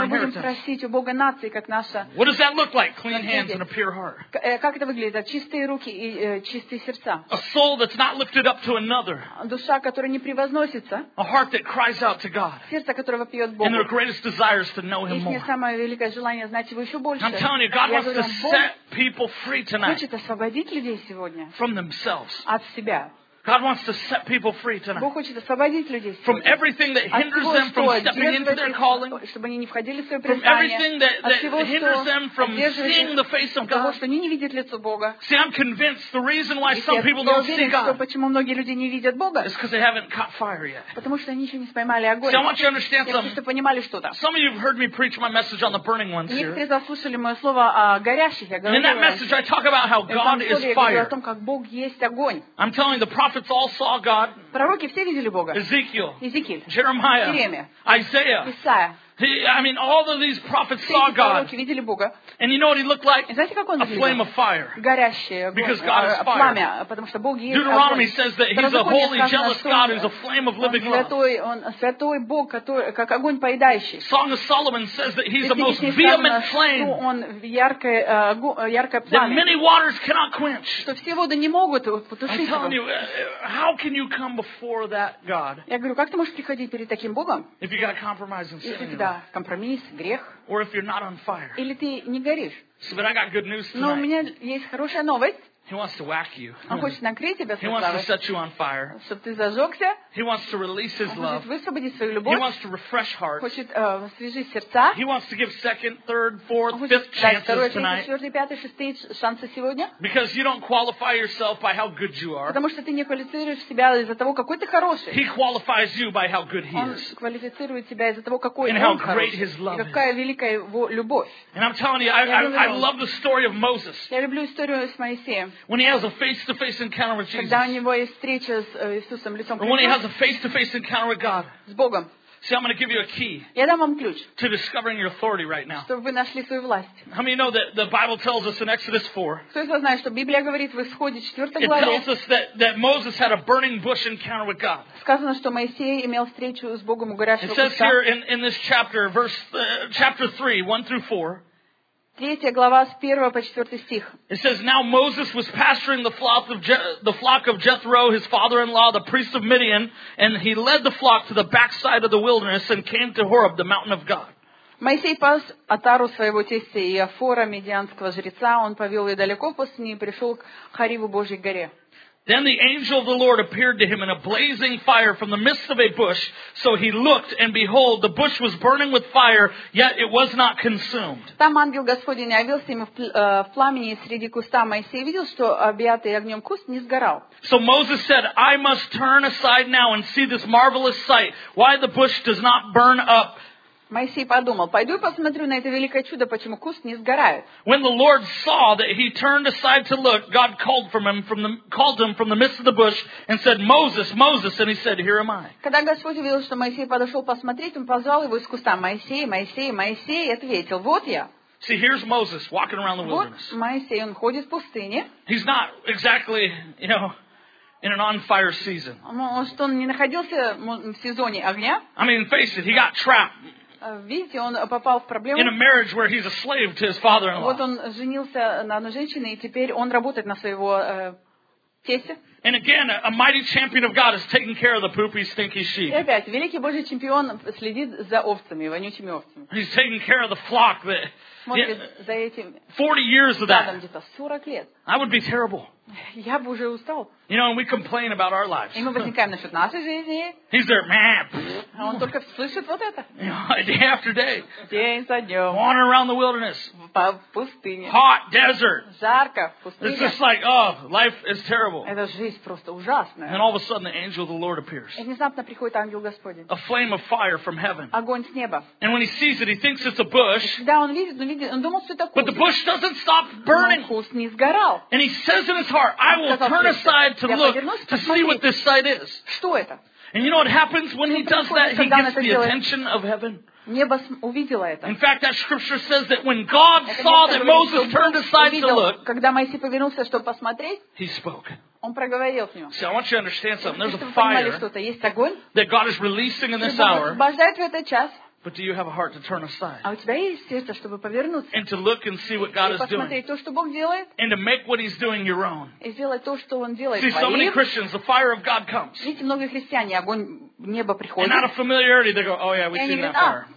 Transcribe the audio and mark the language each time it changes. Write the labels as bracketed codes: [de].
[ru] Если мы будем просить у Бога нации как наша. [en] What does that look like clean hands and a pure heart. [ru] Как это выглядит? Чистые руки и чистые сердца. [en] A soul that's not lifted up to another. [ru] Душа, которая не превозносится. [en] A heart that cries out to God. [ru] Сердце, которое вопиет Богу. [en] And their greatest desire is to know Him more. [ru] Их самое великое желание знать Его еще больше. [en] I'm telling you, God wants to set people free tonight. [ru] Хочет освободить людей сегодня. [en] From themselves. [ru] От себя. [en] God wants to set people free tonight. [ru] Бог хочет освободить людей. [en] From everything that hinders [ru] всего, [en] them from stepping into their calling. [ru] Чтобы они не входили в свое призвание. [en] From everything that hinders them from seeing the face of God. [ru] Того, что они не видят лицо Бога. [en] See, I'm convinced the reason why some people don't see God. [ru] Что, почему многие люди не видят Бога? [en] Is because they haven't caught fire yet. [ru] Потому что они еще не поймали огонь. [en] See, I want you to understand something. Some of you have heard me preach my message on the burning ones here. [ru] Некоторые заслушали мое слово о горящих. [en] In that message, I talk about how God is fire. [ru] О том, как Бог есть огонь. [en] I'm telling the prophet. Prophets all saw God. [ru] Пророки все видели Бога. [en] Ezekiel. Jeremiah. [ru] Иеремия. [en] Isaiah. [ru] Исаия. [en] I mean, all of these prophets saw God. [ru] Видели Бога. [en] And you know what He looked like? [ru] Знаете, как он [en] a flame of fire. [ru] Горящий огонь. [en] Because God is fire. [ru] Пламя, потому что Бог есть. [en] Deuteronomy says that He's a holy, jealous God who's a flame of living love. [ru] Он святой Бог, который как огонь поедающий. [en] Song of Solomon says that He's the most vehement flame. [ru] Он яркое пламя. [en] That many waters cannot quench. [ru] Что все воды не могут потушить. [en] I'm telling you, how can you come before that God? [ru] Я говорю, как ты можешь приходить перед таким Богом? [en] If you got compromise and sin. [ru] Если у тебя компромисс, грех. [en] Or if you're not on fire. [ru] Или ты не горишь. [en] So, but I got good news tonight. [ru] Но у меня есть хорошая новость. [en] He wants to whack you. [ru] Он хочет накрыть тебя со славой. [en] He wants to set you on fire. [ru] Чтобы ты зажегся. [en] He wants to release his love. [ru] Он хочет высвободить свою любовь. [en] He wants to refresh hearts. [ru] Хочет освежить сердца. [en] He wants to give second, third, fourth, fifth chances tonight. [ru] Он хочет дать второй, третий, четвертый, пятый, шестой шансы сегодня. [en] Because you don't qualify yourself by how good you are. [ru] Потому что ты не квалифицируешь себя из-за того, какой ты хороший. [en] He qualifies you by how good he is. [ru] Он квалифицирует тебя из-за того, какой он хороший. [en] And how great his love is. [ru] Какая великая его любовь. [en] And I'm telling you, I love the story of Moses. [ru] Я люблю историю с Моисеем. [en] When he has a face-to-face encounter with Jesus. [ru] Когда у него есть встреча с Иисусом лицом к лицу. [en] Or when he has a face-to-face encounter with God. [ru] С Богом. [en] See, I'm going to give you a key. [ru] Я дам вам ключ. [en] To discovering your authority right now. [ru] Чтобы вы нашли свою власть. [en] How many know that the Bible tells us in Exodus 4? [ru] Кто из вас знает, что Библия говорит в Исходе 4 главе? [en] It tells us that Moses had a burning bush encounter with God. [ru] Сказано, что Моисей имел встречу с Богом у горящего куста. [en] It says here in this chapter, chapter 3, 1 through 4. [ru] Третья глава с 1 по 4 стих. [en] It says, now Moses was pasturing the flock of Jethro, his father-in-law, the priest of Midian, and he led the flock to the backside of the wilderness and came to Horeb, the mountain of God. [ru] Моисей пас отару своего тестя Иофора, медианского жреца. Он повел ее далеко в пустыню и пришел к Хариву Божьей горе. [en] Then the angel of the Lord appeared to him in a blazing fire from the midst of a bush. So he looked, and behold, the bush was burning with fire, yet it was not consumed. [ru] Там ангел Господень явился ему в пламени среди куста. Моисей видел, что объятый огнем куст не сгорал. [en] So Moses said, I must turn aside now and see this marvelous sight, why the bush does not burn up. [ru] Моисей подумал, пойду и посмотрю на это великое чудо, почему куст не сгорает. [en] When the Lord saw that he turned aside to look, God called from him from the midst of the bush and said, Moses, Moses, and he said, here am I. [ru] Когда Господь увидел, что Моисей подошел посмотреть, он позвал его из куста, Моисей, Моисей, Моисей, и ответил, вот я. [en] See, here's Moses walking around the wilderness. [ru] Вот Моисей, он ходит в пустыне. [en] He's not exactly, you know, in an on-fire season. [ru] Может, он не находился в сезоне огня? [en] I mean, face it, he got trapped. [ru] Видите, он попал в проблему. [en] In a marriage where he's a slave to his father-in-law. [ru] Вот он женился на одной женщине, и теперь он работает на своего тестя. [en] And again, a mighty champion of God is taking care of the poopy, stinky sheep. [ru] И опять, великий Божий чемпион следит за овцами, вонючими овцами. [en] He's taking care of the flock that. [ru] Смотрит за этим. [en] 40 years of that. [ru] Где-то 40 лет. [en] I would be terrible. [ru] Я бы уже устал. [en] You know, and we complain about our lives. [ru] И мы возникаем насчет нашей жизни. [en] He's there, man. [ru] Он только слышит вот это. [en] Day after day. [ru] День за днем. [en] Wandering around the wilderness. [ru] По пустыне. [en] Hot desert. [ru] Жарко в пустыне. [en] It's just like, oh, life is terrible. [ru] Это жизнь просто ужасная. [en] And all of a sudden, the angel of the Lord appears. [ru] И внезапно приходит ангел Господень. [en] A flame of fire from heaven. [ru] Огонь с неба. [en] And when he sees it, he thinks it's a bush. [ru] Да, он видит, но видит, он думал, что это куст. [en] But the bush doesn't stop burning. [ru] Куст не сгорал. [en] And he says in his heart, I will turn aside to look to see what this sight is. [ru] Что это? [en] And you know what happens when he does that? He gets the attention of heaven. [ru] Небо увидело это. [en] In fact, that scripture says that when God saw that Moses turned aside to look, [ru] когда Моисей повернулся, чтобы посмотреть, [en] he spoke. [ru] Он проговорил с ним. [en] See, I want you to understand something. There's a fire. [ru] Что-то есть огонь. [en] That God is releasing in this hour. [ru] Освобождает в этот час. [en] But do you have a heart to turn aside? [ru] А у тебя есть сердце, чтобы повернуться? [en] And to look and see what God is doing. [ru] И посмотреть то, что Бог делает. [en] And to make what He's doing your own. [ru] И сделать то, что Он делает [en] своим. See, so many Christians, the fire of God comes. [ru] Видите, многие христиане, огонь неба приходит. [en] And out of familiarity, they go, "Oh yeah, we seen that fire."